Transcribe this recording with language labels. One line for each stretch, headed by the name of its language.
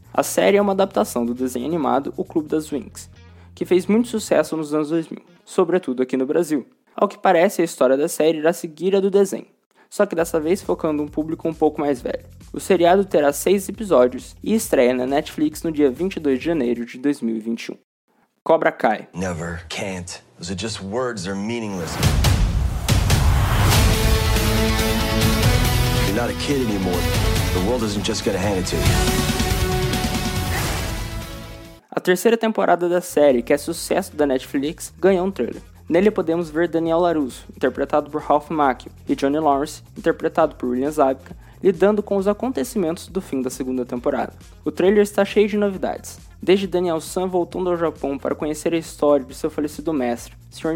Portuguese: A série é uma adaptação do desenho animado O Clube das Winx, que fez muito sucesso nos anos 2000, sobretudo aqui no Brasil. Ao que parece, a história da série irá seguir a do desenho, só que dessa vez focando um público um pouco mais velho. O seriado terá 6 episódios e estreia na Netflix no dia 22 de janeiro de 2021.
English: Cobra Kai. Never, can't. Those are just words, they're meaningless. You're not a kid anymore. The world isn't just gonna hand it to you.
Portuguese: A terceira temporada da série, que é sucesso da Netflix, ganhou um trailer. Nele podemos ver Daniel LaRusso, interpretado por Ralph Macchio, e Johnny Lawrence, interpretado por William Zabka, lidando com os acontecimentos do fim da segunda temporada. O trailer está cheio de novidades, desde Daniel San voltando ao Japão para conhecer a história de seu falecido mestre, Sr.